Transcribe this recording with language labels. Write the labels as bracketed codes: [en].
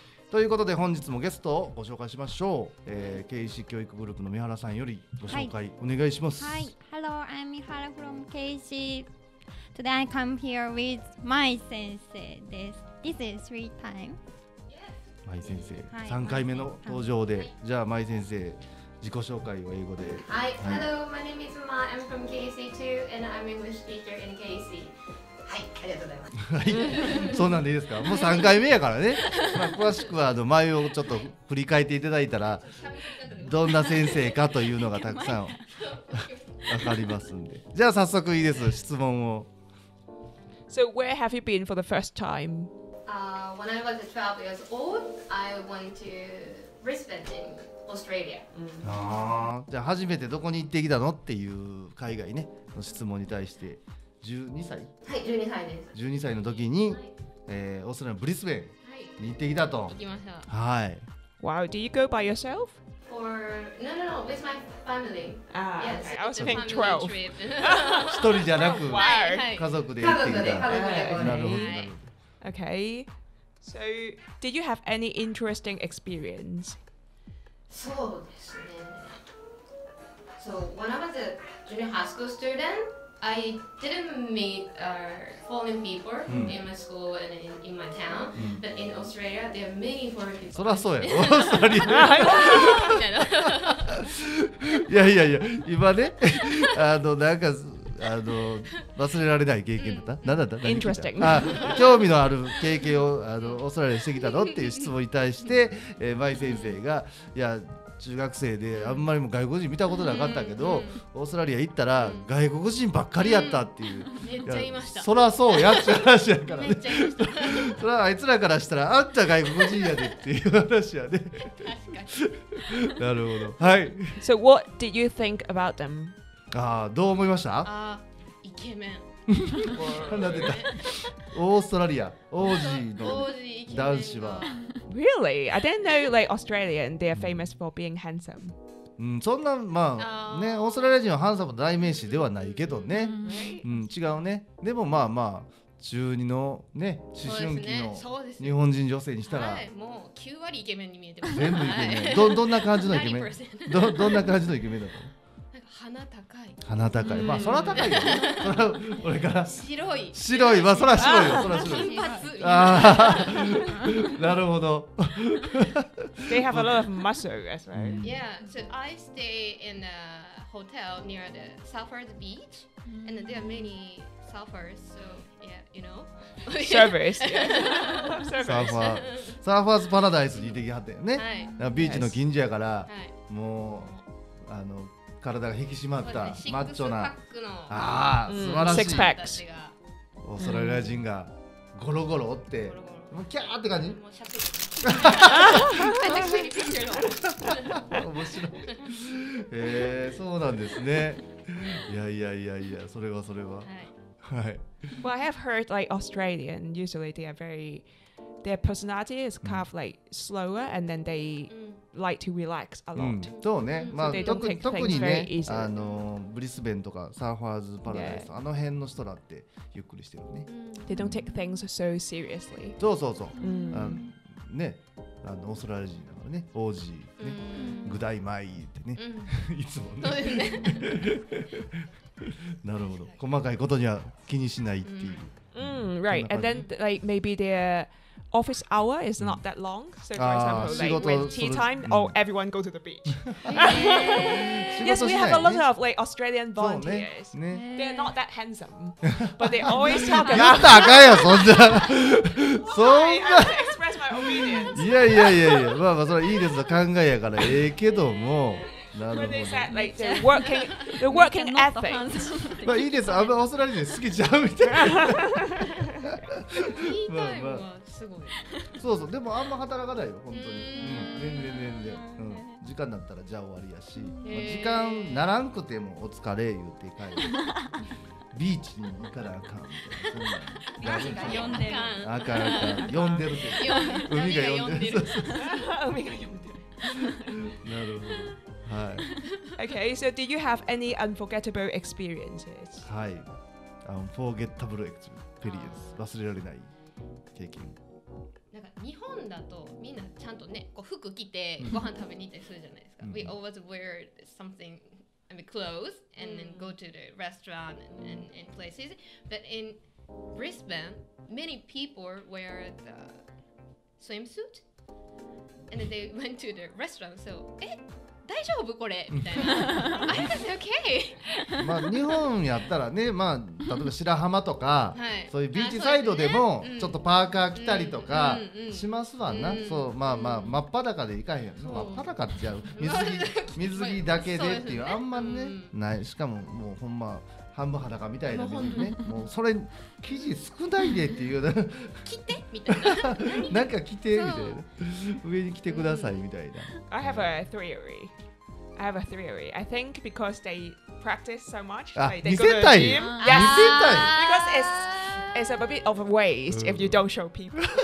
[ja] ということで、本日もゲストをご紹介しましょう。KEC 教育グループの三原さんよりご紹介お願いします。 [en] はい、ハロー、I'm Mihara from KEC. Today I come here with my [ja] 先生です。 [en] This is three time。 [ja] マイ先生、はい、3回目の登場で、はい、じゃあマイ先生、自己紹介を英語で。 [en] Hi, はい、Hello, my name is Ma, I'm from KEC too, and I'm English teacher in KEC. [ja] はい、ありがとうございます。そうなんでいいですか？もう3回目やからね。まあ、詳しくはマイをちょっと振り返っていただいたら、どんな先生かというのがたくさんわかりますんで。じゃあ早速いいです、質問を。 [en] So where have you been for the first time? When I was 12 years old, I went to Brisbane in Australia.、 Mm. [ja] ああ、じゃあ初めてどこに行ってきたのっていう海外ね、の質問に対して、12歳。はい、12歳です。 12歳の時に、はい、オーストラリアのブリスベンに行ってきたと。はい、行きました。はい。 [en] Wow, do you go by yourself? Or no, no, no, with my family. Ah,、 yes. okay. I was thinking 12. [ja] 一人じゃなく、はいはい、家族で行ってきた。家族で。なるほど、なるほど。 [en] Okay, so did you have any interesting experience? [ja] そうですね。 [en] So when I was a junior high school student, I didn't meet foreign people、mm. in my school and in my town.、Mm. But in Australia, there are many foreign people. [ja] そらそうや。オーストラリア。いやいやいや、今ね、なんか、忘れられない経験だった、うん、何だった、 [en] Interesting. [ja] 興味のある経験をオーストラリアにしてきたのっていう質問に対して、舞先生が、いや中学生であんまりも外国人見たことなかったけど、うん、オーストラリア行ったら外国人ばっかりやったっていう、うん、めっちゃ言いました。そらそうやって話やからね。めっちゃ言いました。そらあいつらからしたら、あんた外国人やでっていう話やね。確かになるほど、はい。 [en] So what did you think about them? [ja] あ、どう思いました？あ、イケメン。なんでだ。オーストラリア王子の男子は。 [en] Really? I didn't know like Australian they are famous for being handsome. [ja] うん、そんなまあね、オーストラリア人はハンサムの代名詞ではないけどね。うん、違うね。でもまあまあ中二のね、思春期の日本人女性にしたら、はい、もう9割イケメンに見えてます。全部イケメン。どんな感じのイケメン？どんな感じのイケメンだと。鼻高い。鼻高い。まあ、空高いよ。これから。白い。白い。まあ、空白いよ。空白い。金髪。あ、なるほど。 [en] They have a lot of muscle, right? Yeah, so I stay in a hotel near the surfers beach, and there are many surfers, so yeah, you know. Surfers. [ja] サーファーズパラダイスに行ってきはったよね。はい。ビーチの近所やから、はい、もう、体が引き締まった、ね、マッチョな、ああ、うん、素晴らしい。シックスパックス。オーストラリア人がゴロゴロって、うん、もうキャーって感じ。もうシャツ。面白い。そうなんですね。いやいやいやいや、それはそれは。はい。はい、 [en] well, I have heard like Australian usually they are very their personality is kind of like slower and then they、うん like to relax a lot、うん、 [ja] そうね、まあ、特にね、ブリスベンとかサーファーズパラダイス、yeah. あの辺の人だってゆっくりしてるね、 [en] they don't take things so seriously、 [ja] そうそうそう、mm. あのね、あのオーストラリア人だからね、王子ね、グダイマイってね、いつもね、そうですねなるほど、細かいことには気にしないっていう、 [en] right and then like maybe theyOffice hour is not that long. So, for example, like with tea time, oh, everyone go to the beach. Yes, we have a lot of like Australian volunteers. They're not that handsome, but they always talk about. [ja] やったあかんやそんな。そんな。 [en] Express my opinions. [ja] いやいやいやいや、まあまあそれいいですよ考えやからええけども。なるほど。 [en] They're working ethics. [ja] まあいいです。あんまオーストラリア人好きちゃうみたいな。ティータイムはすごい、まあ、そうそう、でもあんま働かないよ、本当に、全然全然、時間だったらじゃあ終わりやし、まあ、時間ならんくてもお疲れ言って帰るビーチに行かなあかんみたいな、そんな海が呼んでる、あかん、呼んでるって、海が呼んでる、海が呼んでるなるほど、はい。 [en] Okay, so do you have any unforgettable experiences? [ja] はい、 [en] unforgettable experience [ja] ペリエス忘れられない経験。なんか日本だとみんなちゃんとね、こう服着てご飯食べに行ったりするじゃないですか。 [en] We always wear something, I mean clothes, and then go to the restaurant and places. But in Brisbane, many people wear the swimsuit, and then they went to the restaurant. So, [ja] 大丈夫これみたいな。 [en] I was okay. [ja] まあ日本やったらね、まあ例えば白浜とか、はい、そういうビーチサイドでもちょっとパーカー着たりとかしますわな。そう、まあまあ真っ裸でいかへん。真っ裸っちゃう。水着だけでっていう、あんまね、ない。しかももうほんま半分裸みたいなね。もうそれ生地少ないでっていう。着てみたいな。なんか着てみたいな。上に着てくださいみたいな。 [en] I have a theory. I have a theory. I think because they practice so much, like they go to the gym. Yes, because it's a bit of a waste if you don't show people.